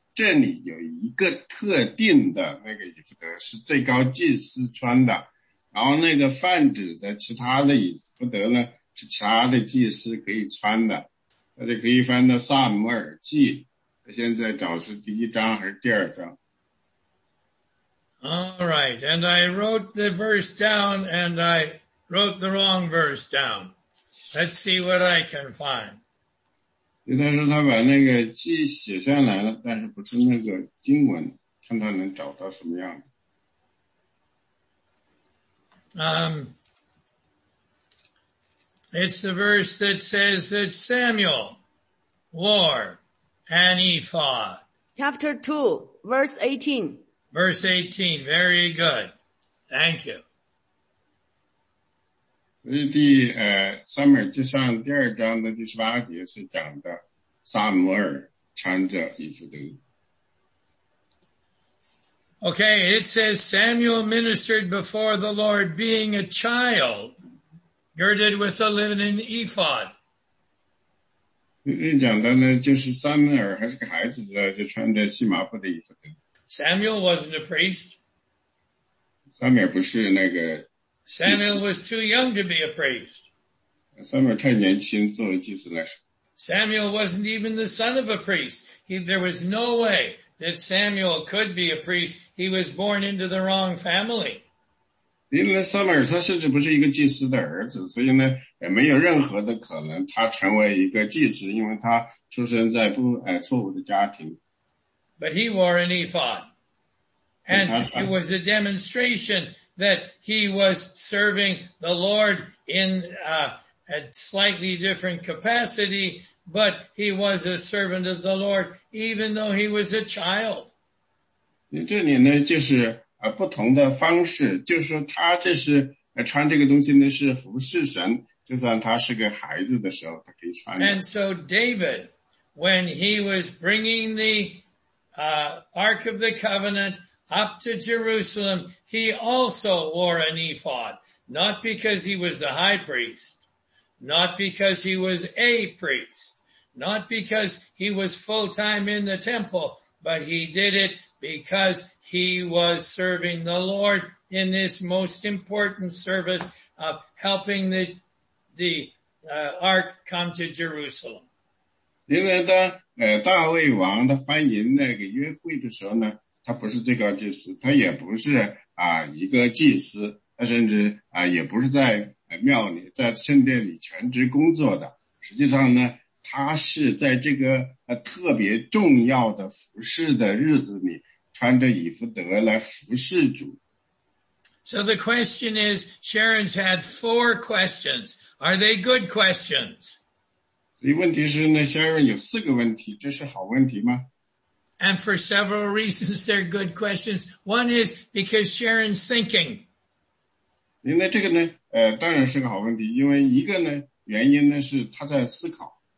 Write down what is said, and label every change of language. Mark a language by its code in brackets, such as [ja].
[zh] 这里有一个特定的那个衣服的是最高祭司穿的，然后那个泛指的其他的衣服的呢是其他的祭司可以穿的。大家可以翻到撒母耳记，现在找是第一章还是第二章。 [en] Alright, and I wrote the verse down and I wrote the wrong verse down. Let's see what I can find. [zh] 因为他说他把那个记写下来了，但是不是那个经文，看他能找到什么样的。 [en] It's the verse that says that Samuel wore an ephod. Chapter 2, verse 18. Verse 18, very good. Thank you. [zh] 第撒母耳记上第二章的第十八节是讲的撒母耳穿着以弗德。 [en] Okay, it says Samuel ministered before the Lord being a child, girded with a linen ephod. [zh] 讲的呢就是撒母耳还是个孩子的就穿着细麻布的衣服的。 [en] Samuel wasn't a priest. [zh] Samuel 不是那个。 [en] Samuel was too young to be a priest. [zh] Samuel 太年轻作为祭司了。 [en] Samuel wasn't even the son of a priest. There was no way that Samuel could be a priest. He was born into the wrong family. [zh] 因为撒母耳他甚至不是一个祭司的儿子，所以呢也没有任何的可能他成为一个祭司，因为他出生在不错误的家庭。 [en] But he wore an ephod. And it was a demonstration that he was serving the Lord in a slightly different capacity, but he was a servant of the Lord even though he was a child. [zh] 这里呢就是不同的方式，就是说他这是穿这个东西呢是服侍神，就算他是个孩子的时候他可以穿。 [en] And so David, when he was bringing the Ark of the Covenant up to Jerusalem, he also wore an ephod, not because he was the high priest, not because he was a priest, not because he was full time in the temple, but he did it because he was serving the Lord in this most important service of helping the Ark come to Jerusalem. In the time. [zh] 大卫王他欢迎那个约柜的时候呢，他不是最高祭司，他也不是一个祭司，他甚至也不是在庙里在圣殿里全职工作的，实际上呢他是在这个特别重要的服侍的日子里穿着以弗德来服侍主。 [en] So the question is, Sharon's had four questions. Are they good questions? [zh] 所以问题是呢，下面有四个问题，这是好问题吗？ [en] And for several reasons, they're good questions. One is because Sharon's thinking. [zh] 因为这个呢，当然是个好问题，因为一个呢，原因呢是他在思考。